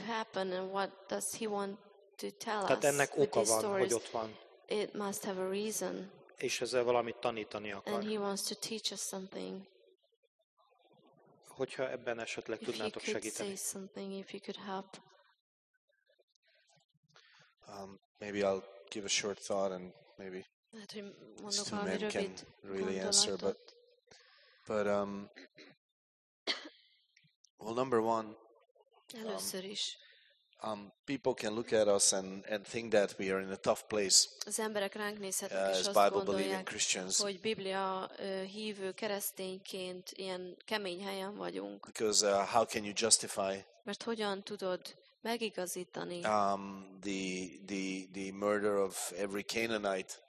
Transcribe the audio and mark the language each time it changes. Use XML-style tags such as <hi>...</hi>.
<hu>Tehát ennek oka van, hogy ott van.</hu> <en>It must have a reason.</en> <hu>És ezzel valamit tanítani akar.</hu> <en>And he wants to teach us something.</en> <hu>Hogyha ebben esetleg tudnátok segíteni.</hu> <en>Say something, if you could help. Maybe I'll give a short thought and maybe still men can really answer, but well, number one,</en> <hu>először is.</hu> <en>People can look at us and think that we are in a tough place.</en> <hu>Az emberek ránk nézhetnek, és azt gondolják, hogy Biblia hívő keresztényként ilyen kemény helyen vagyunk.</hu> <en>Because how can you justify?</en> <hu>Mert hogyan tudod megigazítani?</hu> <en>The murder of every Canaanite.</en>